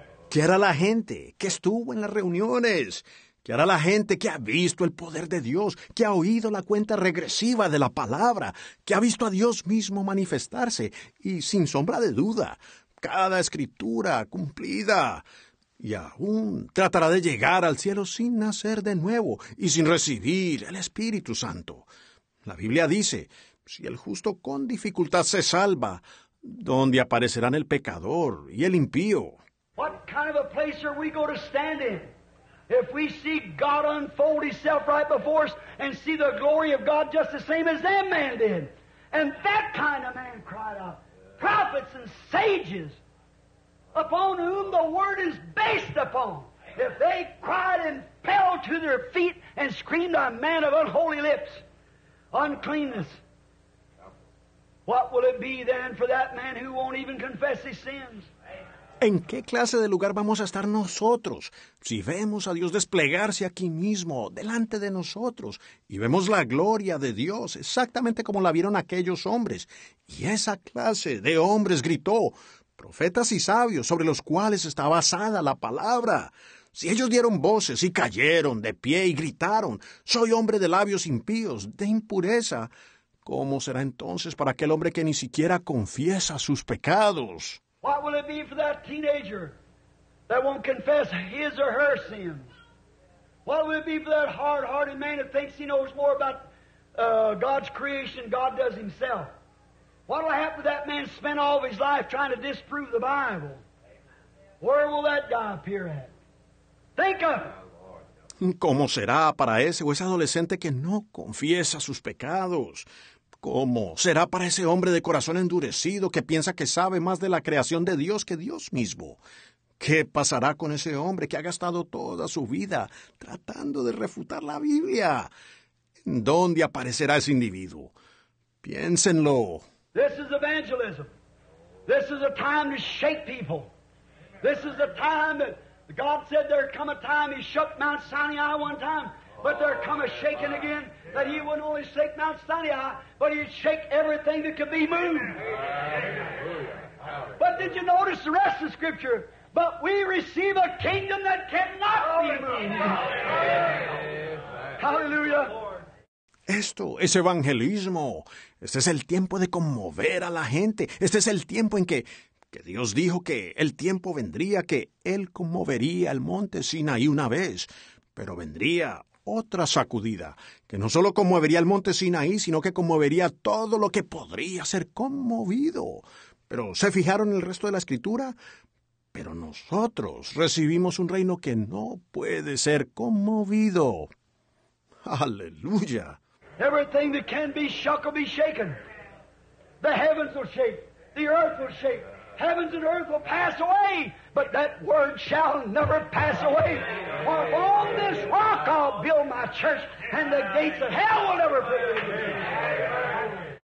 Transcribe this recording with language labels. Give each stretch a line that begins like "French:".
Spanish: ¿Qué hará la gente que estuvo en las reuniones? ¿Qué hará la gente que ha visto el poder de Dios, que ha oído la cuenta regresiva de la palabra, que ha visto a Dios mismo manifestarse y sin sombra de duda, cada escritura cumplida, y aún tratará de llegar al cielo sin nacer de nuevo y sin recibir el Espíritu Santo? La Biblia dice, si el justo con dificultad se salva, ¿dónde aparecerán el pecador y el impío?
English: What kind of a place are we going to stand in if we see God unfold himself right before us and see the glory of God just the same as that man did? And that kind of man cried out, prophets and sages upon whom the word is based upon. If they cried and fell to their feet and screamed, a man of unholy lips, uncleanness, what will it be then for that man who won't even confess his sins?
Spanish: ¿En qué clase de lugar vamos a estar nosotros si vemos a Dios desplegarse aquí mismo, delante de nosotros, y vemos la gloria de Dios exactamente como la vieron aquellos hombres? Y esa clase de hombres gritó, profetas y sabios sobre los cuales está basada la palabra. Si ellos dieron voces y cayeron de pie y gritaron, soy hombre de labios impíos, de impureza, ¿cómo será entonces para aquel hombre que ni siquiera confiesa sus pecados?
English: What will it be for that teenager that won't confess his or her sins? What will it be for that hard-hearted man that thinks he knows more about God's creation than God does himself? What will happen to that man spend all of his life trying to disprove the Bible? Where will that guy appear at? Think of it.
Spanish: ¿Cómo será para ese o ese adolescente que no confiesa sus pecados? ¿Cómo será para ese hombre de corazón endurecido que piensa que sabe más de la creación de Dios que Dios mismo? ¿Qué pasará con ese hombre que ha gastado toda su vida tratando de refutar la Biblia? ¿En dónde aparecerá ese individuo? Piénsenlo.
English: This is evangelism. This is a time to shake people. This is a time that God said there come a time he shook Mount Sinai one time, but there come a shaking again, that he wouldn't only shake Mount Sinai, but he'd shake everything that could be moved. But did you notice the rest of Scripture? But we receive a kingdom that cannot be moved. Hallelujah.
Spanish: Esto es evangelismo. Este es el tiempo de conmover a la gente. Este es el tiempo en que Dios dijo que el tiempo vendría, que Él conmovería el monte Sinaí una vez, pero vendría otra sacudida, que no solo conmovería el monte Sinaí, sino que conmovería todo lo que podría ser conmovido. ¿Pero se fijaron en el resto de la Escritura? Pero nosotros recibimos un reino que no puede ser conmovido. ¡Aleluya!
English: Everything that can be shook will be shaken. The heavens will shake. The earth will shake. Heavens and earth will pass away, but that word shall never pass away. For on this rock I'll build my church, and the gates of hell will never prevail.